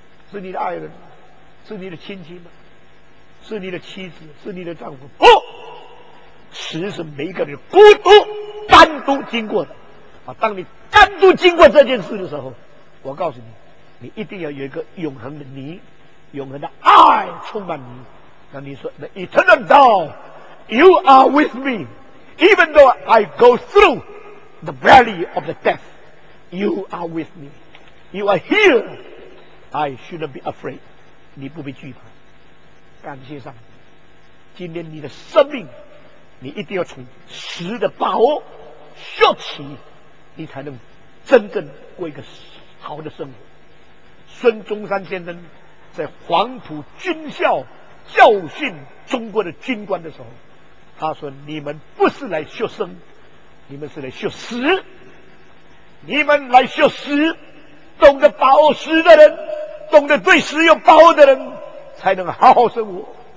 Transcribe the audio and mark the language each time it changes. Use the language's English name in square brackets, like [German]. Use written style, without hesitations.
[Chinese] 是你的爱人吗？是你的亲戚吗？是你的妻子？是你的丈夫？不，死是每一个人孤独单独经过的。当你单独经过这件事的时候，我告诉你，你一定要有一个永恒的你，永恒的爱充满你。那你说 [English] The eternal thou, you are with me, even though I go through the valley of the death, you are with me, you are here, I shouldn't be afraid. [Chinese] 你不必惧怕。感谢上帝，今天你的生命你一定要从死的把握学起，你才能真正过一个好的生活。孙中山先生在黄埔军校教训中国的军官的时候，他说，你们不是来学生，你们是来学死，你们来学死，懂得把握死的人，懂得对死有把握的人才能好好生活。